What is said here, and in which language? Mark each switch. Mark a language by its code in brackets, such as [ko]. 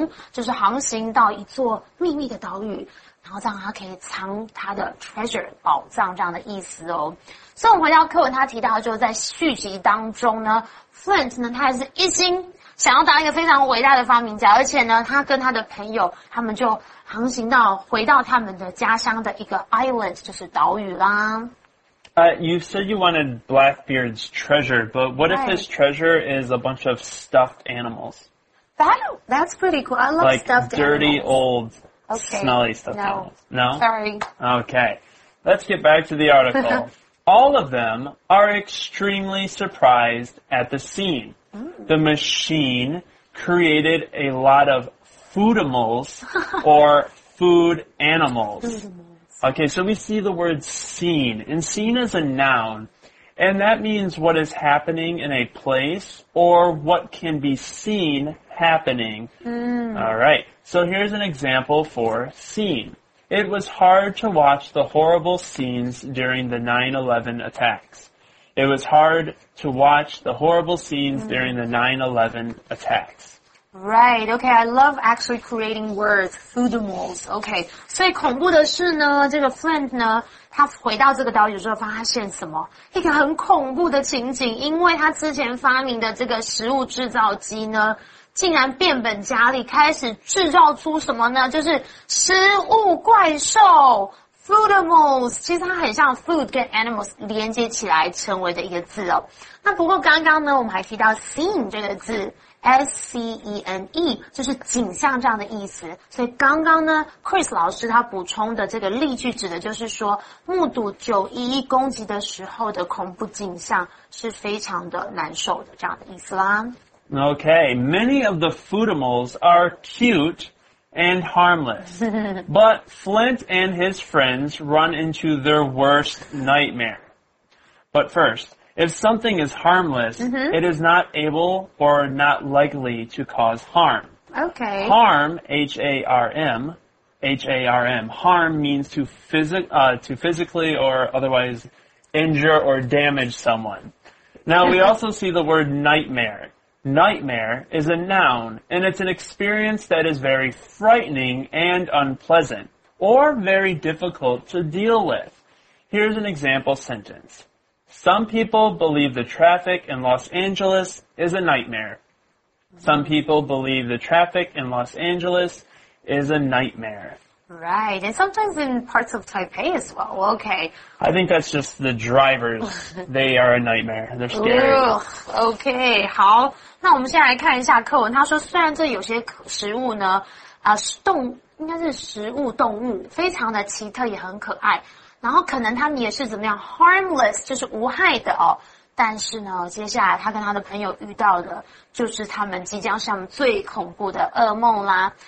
[zh] 就是航行到一座秘密的岛屿然后让他可以藏他的 treasure 宝藏这样的意思哦所以我们回到课文他提到就是在续集当中呢 Flint 呢他还是一心想要当一个非常伟大的发明家而且呢他跟他的朋友他们就航行到回到他们的家乡的一个 island 就是岛屿啦 [en] You said you wanted Blackbeard's treasure, but what if his treasure is a bunch of stuffed animals? That's pretty cool. I love like stuffed dirty, animals. Dirty, old, smelly stuffed animals. No? Sorry. Okay. Let's get back to the article. All of them are extremely surprised at the scene. Mm. The machine created a lot of foodimals or food animals. Okay, so we see the word scene, and scene is a noun, and that means what is happening in a place or what can be seen happening. Mm. All right, so here's an example for scene. It was hard to watch the horrible scenes during the 9/11 attacks. It was hard to watch the horrible scenes during the 9/11 attacks. Right, okay, I love actually creating words, foodimals, okay. [zh] 所以恐怖的是呢，这个 Flint 呢，他回到这个岛屿之后发现什么？一个很恐怖的情景，因为他之前发明的这个食物制造机呢，竟然变本加厉，开始制造出什么呢？就是食物怪兽 ,foodimals, 其实它很像 food 跟 animals 连接起来成为的一个字哦。那不过刚刚呢，我们还提到 scene 这个字。S-C-E-N-E, 就是景象这样的意思。所以刚刚呢 ,Chris 老师他补充的这个例句指的就是说目睹911攻击的时候的恐怖景象是非常的难受的这样的意思啦。 [en] Okay, many of the foodimals are cute and harmless, but Flint and his friends run into their worst nightmare. But first,If something is harmless, it is not able or not likely to cause harm. Okay. Harm, H-A-R-M, H-A-R-M, harm means to physically or otherwise injure or damage someone. Now, we also see the word nightmare. Nightmare is a noun, and it's an experience that is very frightening and unpleasant or very difficult to deal with. Here's an example sentence. Some people believe the traffic in Los Angeles is a nightmare. Some people believe the traffic in Los Angeles is a nightmare. Right, and sometimes in parts of Taipei as well. Okay. I think that's just the drivers. They are a nightmare. They're scary. [zh] Okay, 好，那我们先来看一下课文。他说，虽然这有些食物呢，应该是食物动物，非常的奇特，也很可爱。然后可能他们也是怎么样 harmless 就是无害的哦，但是呢，接下来他跟他的朋友遇到的就是他们即将是他们最恐怖的噩梦啦。